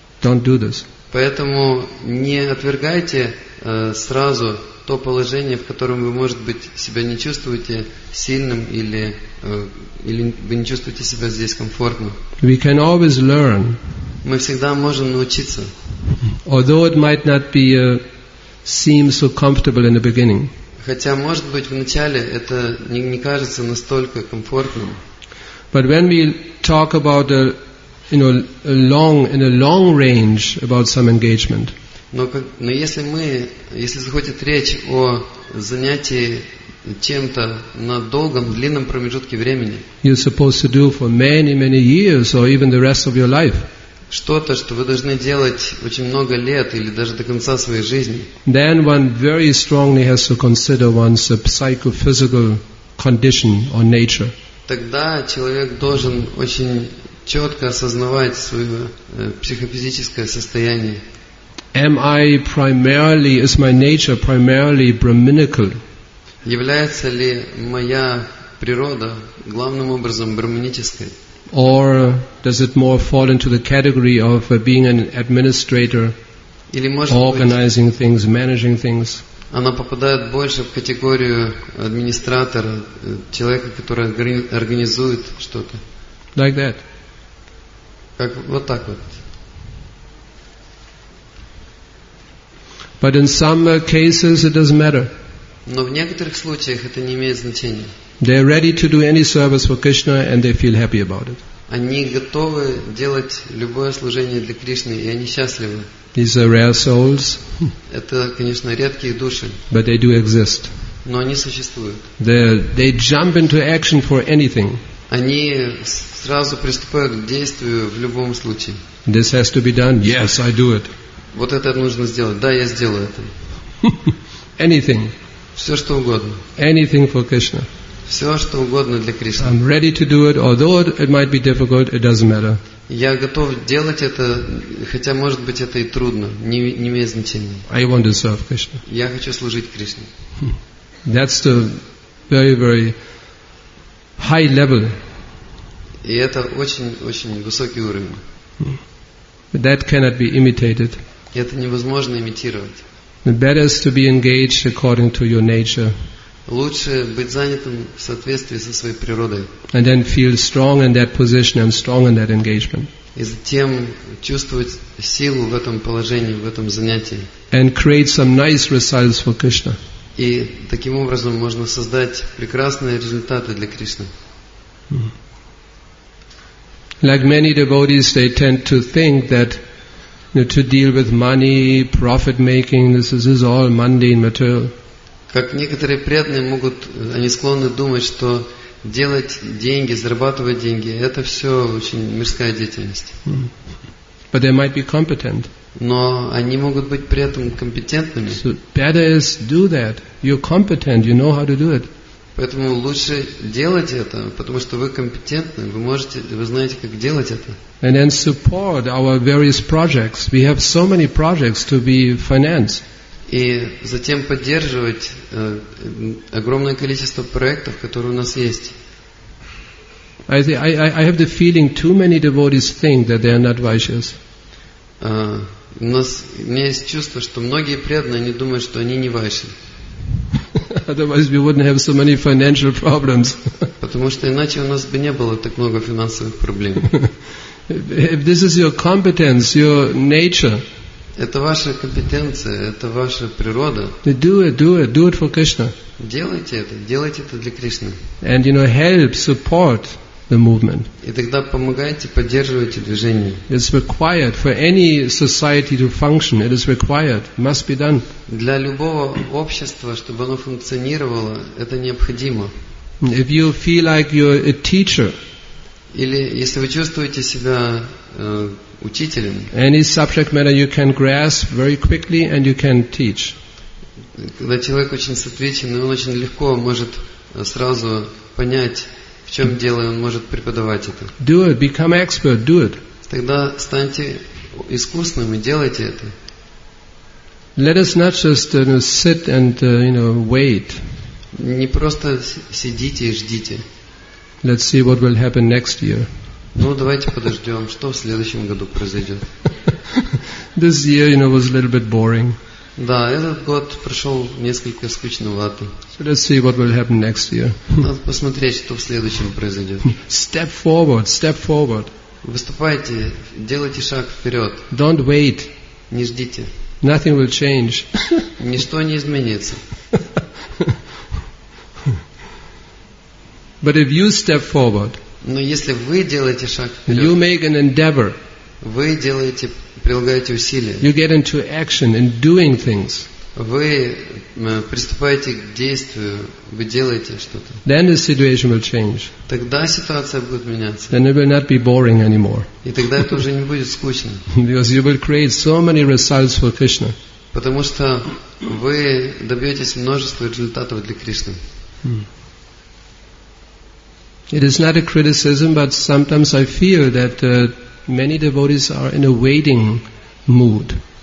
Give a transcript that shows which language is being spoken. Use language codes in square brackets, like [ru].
[en] Don't do this. [ru] Поэтому не отвергайте сразу то положение, в котором вы, может быть, себя не чувствуете сильным или вы не чувствуете себя здесь комфортно. [en] We can always learn. [ru] Мы всегда можем научиться. [en] Although it might not be seem so comfortable in the beginning. [ru] Хотя, может быть, в начале это не кажется настолько комфортным. [en] But when we talk about a long range about some engagement. [ru] Но если заходит речь о занятии чем-то на долгом, длинном промежутке времени. [en] You're supposed to do for many, many years or even the rest of your life. [ru] Что-то, что вы должны делать очень много лет или даже до конца своей жизни. [en] Then one very strongly has to consider one's psychophysical condition or nature. [ru] Тогда человек должен очень четко осознавать свое психофизическое состояние. [en] Is my nature primarily brahminical? [ru] Является ли моя природа главным образом брахманической? [en] Or does it more fall into the category of being an administrator, [ru] или, может быть, [en] organizing things, managing things? [ru] Она попадает больше в категорию администратора, человека, который организует что-то. [en] Like that. [ru] Как вот так вот. [en] But in some cases it doesn't matter. [ru] Но в некоторых случаях это не имеет значения. [en] They are ready to do any service for Krishna and they feel happy about it. [ru] Они готовы делать любое служение для Кришны, и они счастливы. [en] These are rare souls. [ru] Это, конечно, редкие души. [en] But they do exist. [ru] Но они существуют. [en] They jump into action for anything. [ru] они сразу приступают к действию в любом случае. [en] This has to be done. Yes, I do it. [ru] Вот это нужно сделать. Да, я сделаю это. [en] Anything. [ru] Все что угодно. [en] Anything for Krishna. [ru] Все что угодно для Кришны. [en] I'm ready to do it, although it might be difficult. It doesn't matter. [ru] Я готов делать это, хотя может быть это и трудно. Не имеет значения. [en] I want to serve Krishna. [ru] Я хочу служить Кришне. [en] That's the very, very high level. [ru] И это очень, очень высокий уровень. [en] But that cannot be imitated. [ru] Это невозможно имитировать. [en] The better is to be engaged according to your nature. [ru] Лучше быть занятым в соответствии со своей природой. [en] And then feel strong in that position and strong in that engagement. [ru] И затем чувствовать силу в этом положении, в этом занятии. [en] And create some nice results for Krishna. [ru] И таким образом можно создать прекрасные результаты для Кришны. [en] Like many devotees, they tend to think that, you know, to deal with money, profit making, this is all mundane material. [ru] Как некоторые преданные могут, они склонны думать, что делать деньги, зарабатывать деньги, это все очень мирская деятельность. [en] But they might be competent. [ru] Но они могут быть при этом компетентными. [en] So better is do that. You're competent. You know how to do it. [ru] Поэтому лучше делать это, потому что вы компетентны, вы можете, вы знаете, как делать это. [en] And then support our various projects. We have so many projects to be financed. [ru] И затем поддерживать огромное количество проектов, которые у нас есть. [en] I have the feeling too many devotees think that they are not vicious. [ru] У меня есть чувство, что многие преданные, они думают, что они не вайши. [en] Otherwise we wouldn't have so many financial problems. [ru] Потому что иначе у нас бы не было так много финансовых проблем. [en] If this is your competence, your nature. [ru] Это ваша компетенция, это ваша природа. [en] Do it for Krishna. [ru] Делайте это для Кришны. [en] And, you know, help, support the movement. [ru] И тогда помогайте, поддерживайте движение. [en] It's required for any society to function. It is required. Must be done. [ru] Для любого общества, чтобы оно функционировало, это необходимо. [en] If you feel like you're a teacher, [ru] или если вы чувствуете себя учителем, [en] any subject matter you can grasp very quickly and you can teach. [ru] Когда человек очень сосредоточен, он очень легко может сразу понять, в чем дело, он может преподавать это. [en] Do it, become expert, do it. [ru] Тогда станьте искусным и делайте это. [en] Let us not just sit and wait. [ru] Не просто сидите и ждите. [en] Let's see what will happen next year. [ru] Ну, давайте подождем, что в следующем году произойдет. [en] This year, you know, was a little bit boring. [ru] Да, этот год прошел несколько скучновато. [en] So let's see what will happen next year. [ru] Надо посмотреть, что в следующем произойдет. [en] Step forward. [ru] Выступайте, делайте шаг вперед. [en] Don't wait. [ru] Не ждите. [en] Nothing will change. [ru] Ничто не изменится. [en] But if you step forward, [ru] но если вы делаете шаг вперед, [en] you make an endeavor. [ru] Вы делаете, прилагаете усилия. [en] You get into action in doing things. [ru] Вы приступаете к действию, вы делаете что-то. [en] Then the situation will change. [ru] Тогда ситуация будет меняться. [en] Then it will not be boring anymore. [ru] И тогда это уже не будет скучно. [en] Because you will create so many results for Krishna. [ru] Потому что вы добьетесь множества результатов для Кришны. [en] It is not a criticism, but sometimes I feel that many devotees are in a waiting mood.